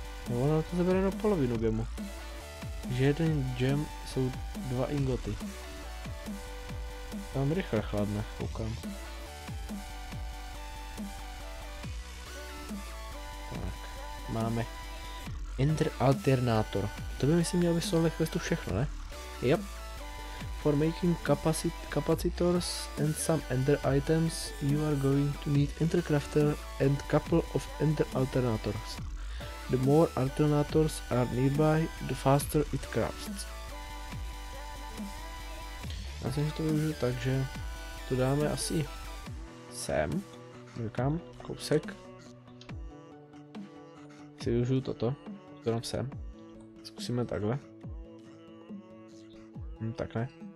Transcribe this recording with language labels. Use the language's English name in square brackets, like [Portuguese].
[Czech] No ono to zabere na polovinu gemu. Že jeden gem jsou dva ingoty. Tam rychle chladne, koukám. Tak, máme Ender Alternator. To by myslím měl vyslovit questu všechno, ne? [English] Yep. For making capacitors and some ender items, you are going to need Ender Crafter and couple of Ender Alternators. The more alternators are nearby, the faster it crafts. [Czech] Já jsem si to využil tak, že to dáme asi sem. Říkám, kousek. Si využiju toto, to dám sem. Zkusíme takhle. Takhle.